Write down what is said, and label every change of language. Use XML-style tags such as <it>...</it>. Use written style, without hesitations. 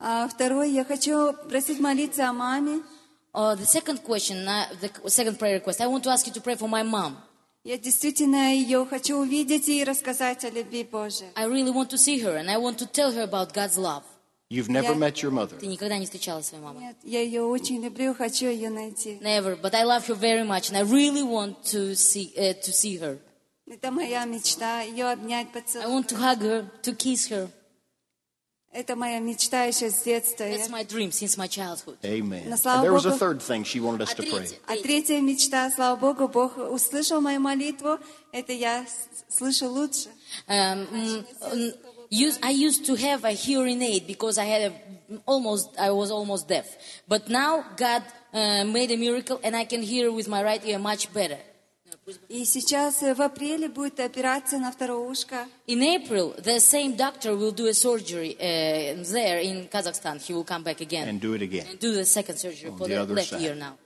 <ru>Второе, я хочу просить молиться о маме.</ru> <en>The second question, the second prayer request, I want to ask you to pray for my mom.</en> <ru>Я действительно ее хочу увидеть и рассказать о любви Божьей.</ru> <en>I really want to see her and I want to tell her about God's love. You've never met your mother.</en> <ru>Ты никогда не встречала свою маму? Нет, я ее очень люблю, хочу ее найти.</ru> <en>Never, but I love her very much and I really want to see her.</en> <ru>Это моя мечта, ее обнять, поцеловать.</ru> <en>I want to hug her, to kiss her.</en> <ru>Это моя мечта еще с детства.</ru> <en>That's my dream since my childhood. Amen. And there was a third thing she wanted us to pray.</en> <ru>А третья мечта, слава Богу, Бог услышал мою молитву. Это я слышу лучше.</ru> <en>I used to have a hearing aid because I was almost deaf. But now God made a miracle and I can hear with my right ear much better.</en> <ru>И сейчас в апреле будет операция на второе ушко.</ru> <en>In April, the same doctor will do a surgery there in Kazakhstan. He will come back again. And do it again. And do the second surgery for the left ear now.</en>